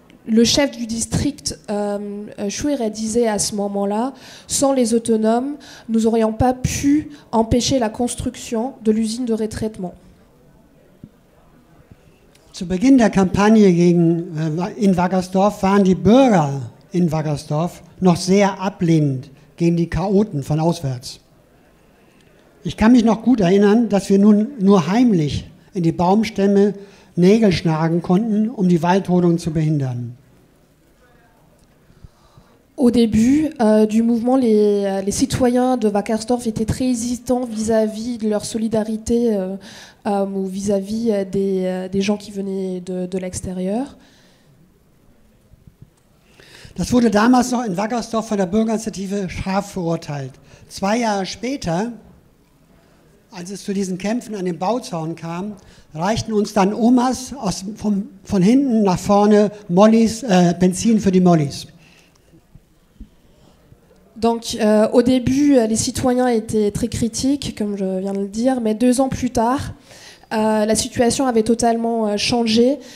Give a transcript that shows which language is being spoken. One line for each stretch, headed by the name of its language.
French: Le chef du district, Schuja, disait à ce moment-là, sans les autonomes, nous n'aurions pas pu empêcher la construction de l'usine de retraitement.
German: Zu Beginn der Kampagne in Wackersdorf waren die Bürger in Wackersdorf noch sehr ablehnend gegen die Chaoten von auswärts. Ich kann mich noch gut erinnern, dass wir nun nur heimlich in die Baumstämme Nägel schlagen konnten, um die Waldrodung zu behindern.
French: Au début du mouvement, les citoyens de Wackersdorf étaient très hésitants vis-à-vis de leur solidarité ou vis-à-vis des gens qui venaient de l'extérieur.
German: Das wurde damals noch in Wackersdorf von der Bürgerinitiative scharf verurteilt. Zwei Jahre später, als es zu diesen Kämpfen an dem Bauzaun kam, reichten uns dann Omas von hinten nach vorne Benzin für die Mollis.
French: Donc au début, les citoyens étaient très critiques, comme je viens de le dire, mais deux ans plus tard, la situation avait totalement changé.